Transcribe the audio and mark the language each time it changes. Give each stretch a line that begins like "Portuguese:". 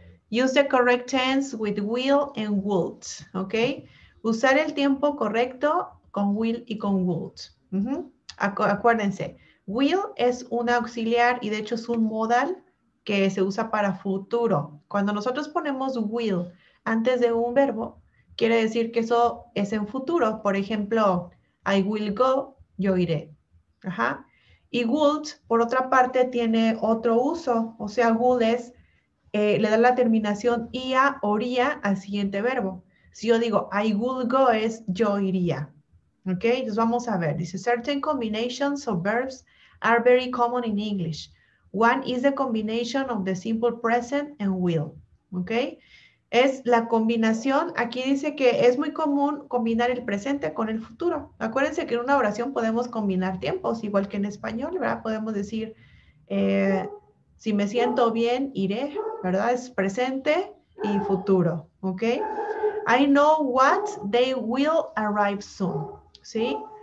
English: Use the correct tense with will and would.
Spanish: Ok. Usar el tiempo correcto con will y con would. Acuérdense, will es un auxiliar y de hecho es un modal que se usa para futuro. Cuando nosotros ponemos will antes de un verbo, quiere decir que eso es en futuro. Por ejemplo,
English: I will go,
Spanish: yo iré. Ajá. Y would, por otra parte, tiene otro uso. O sea, would es, le da la terminación ia, oría, al siguiente verbo. Si yo digo,
English: I would go,
Spanish: es yo iría. ¿Ok? Entonces vamos a ver.
English: Dice, certain combinations of verbs are very common in English. One is the combination of the simple present and will.
Spanish: ¿Ok? Es la combinación. Aquí dice que es muy común combinar el presente con el futuro. Acuérdense que en una oración podemos combinar tiempos, igual que en español, ¿verdad? Podemos decir, si me siento bien, iré, ¿verdad? Es presente y futuro, ¿ok?
English: I know what they will arrive soon,
Spanish: ¿sí?